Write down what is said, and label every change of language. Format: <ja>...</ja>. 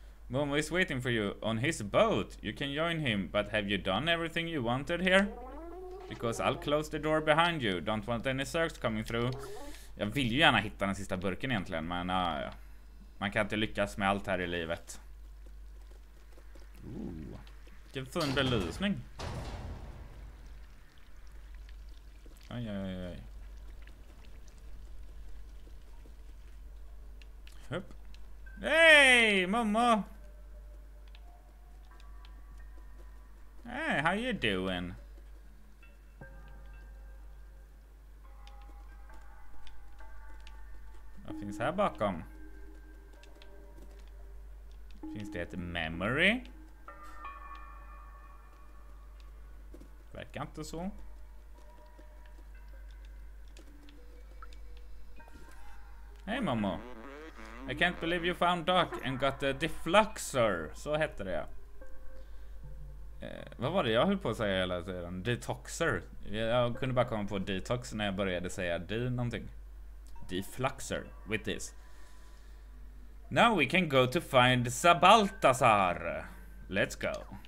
<en>Momo is waiting for you on his boat. You can join him, but have you done everything you wanted here? Because I'll close the door behind you. Don't want any sharks coming through.</en> <sv>Jag vill ju gärna hitta den sista burken egentligen, men man kan inte lyckas med allt här i livet. Ooh. Vilken fin belysning. Oj, oj, oj. Hupp. Hey, mamma!</sv> <en>Hey, how you doing?</en> <sv>Vad finns här bakom? Finns det ett memory? Verkar inte så. Hej mamma.</sv> <en>I can't believe you found Doc and got the defluxor.</en> <sv>Så heter det. Vad var det jag höll på att säga hela tiden? Detoxer. Jag kunde bara komma på detox när jag började säga någonting.</sv> <en>Defluxor with this. Now we can go to find Sabaltasar. Let's go.</en>